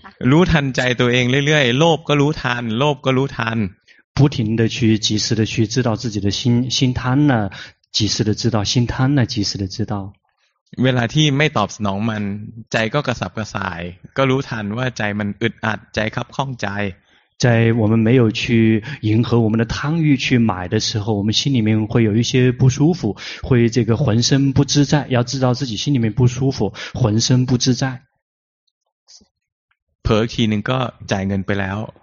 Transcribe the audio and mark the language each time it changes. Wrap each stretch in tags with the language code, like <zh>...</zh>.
<th>รู้ทันใจตัวเองเรื่อยๆโลภก็รู้ทันโลภก็รู้ทัน</th> <zh>不停的去及时的去知道自己的心心贪了及时的知道心贪了及时的知道</zh> <th>เวลาที่ไม่ตอบสนองมันใจก็กระสับกระส่ายก็รู้ทันว่าใจมันอึดอัดใจคับข้องใจ</th> <zh>在我们没有去迎合我们的贪欲去买的时候我们心里面会有一些不舒服会这个浑身不自在要知道自己心里面不舒服浑身不自在</zh> <th>เผลอทีนึงก็จ่ายเงินไปแล้ว</th>